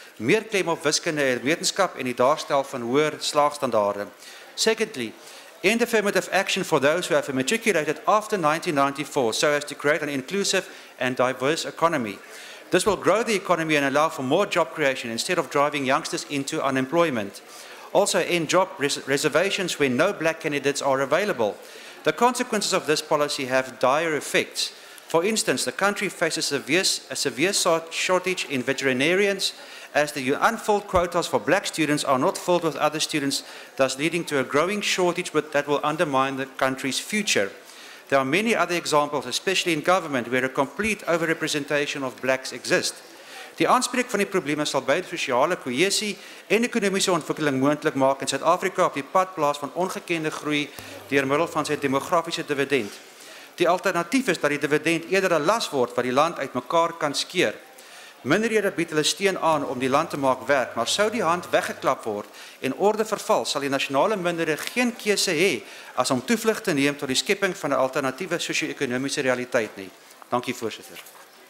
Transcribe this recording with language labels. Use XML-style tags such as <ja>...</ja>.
<af>Meer klem op wiskunde en wetenskap en die daarstel van hoër slaagstandaarde.</af> <en>Secondly, end affirmative action for those who have matriculated after 1994 so as to create an inclusive and diverse economy. This will grow the economy and allow for more job creation instead of driving youngsters into unemployment. Also, end job reservations where no black candidates are available. The consequences of this policy have dire effects. For instance, the country faces a severe shortage in veterinarians as the unfilled quotas for black students are not filled with other students, thus leading to a growing shortage that will undermine the country's future. There are many other examples, especially in government, where a complete overrepresentation of blacks exists.</en> <af>Die aanspreek van die probleme sal beide sosiale kohesie en ekonomiese ontwikkeling moontlik maak in Suid-Afrika op die pad plaas van ongekende groei deur middel van sy demografiese dividend. Die alternatief is dat die dividend eerder 'n las word wat die land uitmekaar kan skeer. Minderhede bied hulle steun aan om die land te maak werk, maar sou die hand weggeklap word en orde verval, sal die nasionale minderhede geen keuse hê as om toevlug te neem tot die skepping van 'n alternatiewe sosio-ekonomiese realiteit nie. Dankie, voorsitter.</af>